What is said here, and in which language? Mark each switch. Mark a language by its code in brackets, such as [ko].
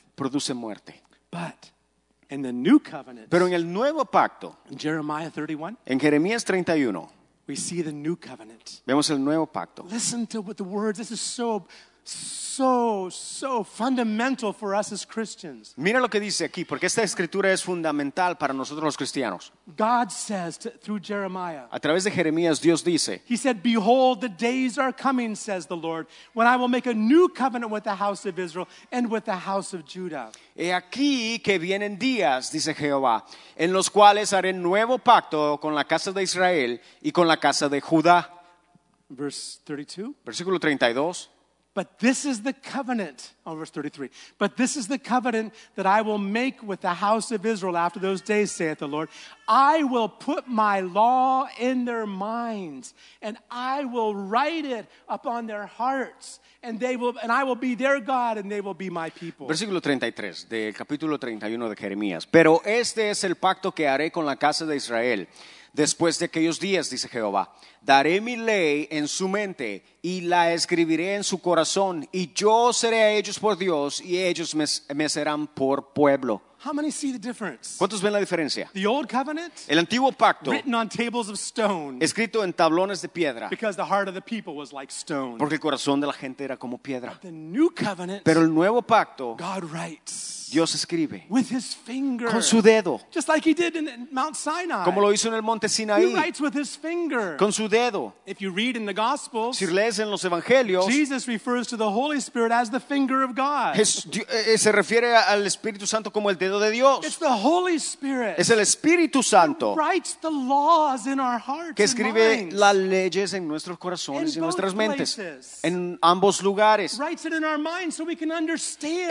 [es] Produce muerte. [en] But in the new covenant, [es] pero en el nuevo pacto, [en] Jeremiah 31, [es] en Jeremías 31, [en] we see the new covenant. [es] Vemos el nuevo pacto. [en] Listen to what the words, this is so, so, so fundamental for us as Christians. [es] Mira lo que dice aquí, porque esta escritura es fundamental para nosotros los cristianos. [en] God says to, through Jeremiah. [es] A través de Jeremías, Dios dice. [en] He said, "Behold, the days are coming," says the Lord, "when I will make a new covenant with the house of Israel and with the house of Judah." [es] He aquí que vienen días, dice Jehová, en los cuales haré nuevo pacto con la casa de Israel y con la casa de Judá. [en] Verse 32. [es] Versículo 32. [en] But this is the covenant, oh, verse 33. But this is the covenant that I will make with the house of Israel after those days, saith the Lord. I will put my law in their minds, and I will write it upon their hearts, and they will, and I will be their God, and they will be my people. [es] Versículo 33, del capítulo 31 de Jeremías. Pero este es el pacto que haré con la casa de Israel. Después de aquellos días, dice Jehová, daré mi ley en su mente y la escribiré en su corazón, y yo seré a ellos por Dios y ellos me serán por pueblo. [en] How many see the difference? [es] ¿Cuántos ven la diferencia? [en] The old covenant, [es] el antiguo pacto, [en] written on tables of stone, [es] escrito en tablones de piedra, [en] because the heart of the people was like stone, [es] porque el corazón de la gente era como piedra. [en] But the new covenant, [es] pero el nuevo pacto, [en] God writes, [es] Dios escribe, [en] with his finger, [es] con su dedo, [en] just like he did in Mount Sinai, [es] como lo hizo en el monte Sinaí. [en] He writes with his finger, [es] con su dedo. [en] If you read in the Gospels, [es] si lees en los evangelios, [en] Jesus refers to the Holy Spirit as the finger of God. [es] Se refiere al Espíritu Santo como el dedo de Dios. [en] It's the Holy Spirit. [es] Es el Espíritu Santo. [en] He writes the laws in our hearts. [es] Que escribe las leyes en nuestros corazones y nuestras mentes. En ambos lugares. [en] He writes it in our minds so we can understand.